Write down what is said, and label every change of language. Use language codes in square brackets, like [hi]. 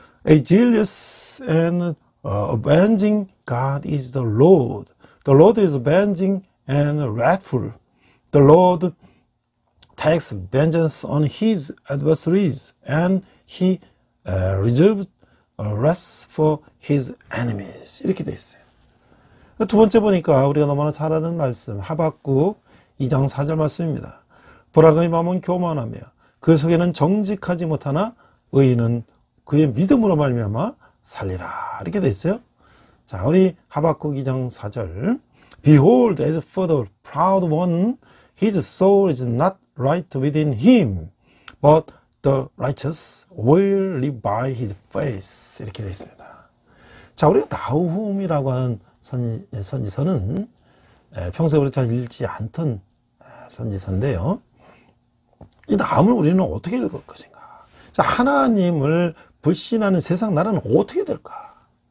[en] A jealous and avenging God is the Lord. The Lord is avenging and wrathful. The Lord takes vengeance on his adversaries, and he reserves wrath for his enemies. [ko] 이렇게 돼 있어요. 두 번째 보니까 우리가 너무나 잘 아는 말씀, 하박국 2장 4절 말씀입니다. 보라, 그의 마음은 교만하며 그 속에는 정직하지 못하나 의인은 그의 믿음으로 말미암아 살리라. 이렇게 돼 있어요. 자, 우리 하박국 2장 4절. [en] Behold, as for the proud one, his soul is not right within him, but the righteous will live by his faith. [ko] 이렇게 되어 있습니다. 자, 우리가 나훔이라고 하는 선지서는 평소에 우리 잘 읽지 않던 선지서인데요. 이 나훔을 우리는 어떻게 읽을 것인가? 자, 하나님을 불신하는 세상 나라는 어떻게 될까?